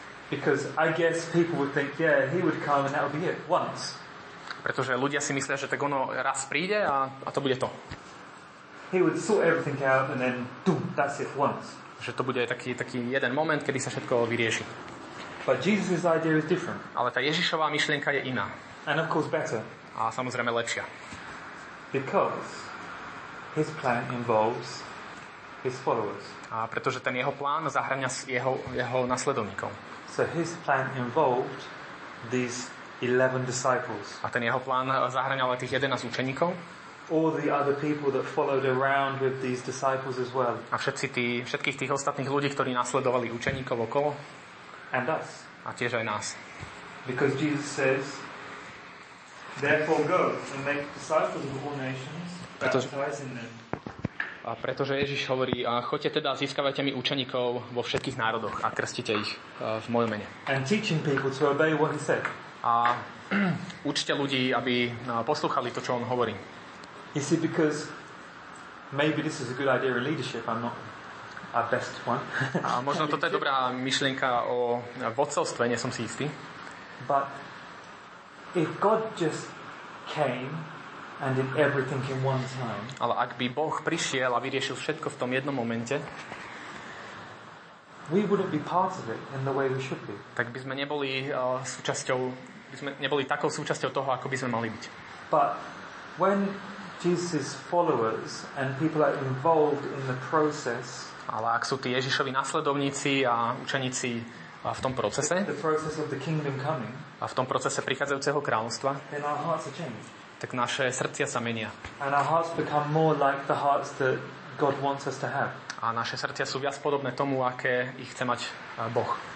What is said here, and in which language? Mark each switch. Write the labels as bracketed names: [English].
[English] Because I guess people would think, yeah, he would come and that would be it once. [Slovak] Pretože ľudia si myslia, že tak ono raz príde a to bude to. [English] He would sort everything out and then boom, that's it once. [Slovak] Že to bude taký jeden moment, kedy sa všetko vyrieši. [English] But Jesus' idea is different. [Slovak] Ale tá Ježišová myšlienka je iná. [English] And of course better. [Slovak] A samozrejme lepšia. [English] Because his plan involves his followers. [Slovak] A pretože ten jeho plán zahŕňa jeho nasledovníkov. [English] So his plan involved these 11 disciples. [Slovak] A ten jeho plán zahŕňal tých 11 učeníkov. [English] All the other people that followed around with these disciples as well. [Slovak] A všetkých tých ostatných ľudí, ktorí nasledovali učeníkov okolo. [English] And us. [Slovak] A tiež aj nás. [English] Because Jesus says, therefore go and make disciples of all nations, baptizing them. [Slovak] A pretože Ježiš hovorí, a choďte teda, získavajte mi učeníkov vo všetkých národoch a krstite ich v mojom mene. [English] And teaching people to obey what he said. [Slovak] A učte ľudí, aby poslúchali to, čo on hovorí. [English] You see, because maybe this is a good idea of leadership, I'm not our best one. [Slovak] A možno toto je dobrá myšlienka o vodcovstve, nie som si istý. [English] But if God just came and did everything in one time. [Slovak] Ale ak by Boh prišiel a vyriešil všetko v tom jednom momente, [English] we wouldn't be part of it in the way we should be. [Slovak] Tak by sme neboli súčasťou, by sme neboli takou súčasťou toho, ako by sme mali byť. [English] But when Jesus' followers and people are involved in the process, [Slovak] ale ak sú tí Ježišovi nasledovníci a učeníci a v tom procese, [English] the process of the kingdom coming, [Slovak] a v tom procese prichádzajúceho kráľovstva, [English] then our hearts are changed. [Slovak] Tak naše srdcia sa menia. [English] And our hearts become more like the hearts that God wants us to have. [Slovak] A naše srdcia sú viac podobné tomu, aké ich chce mať Boh.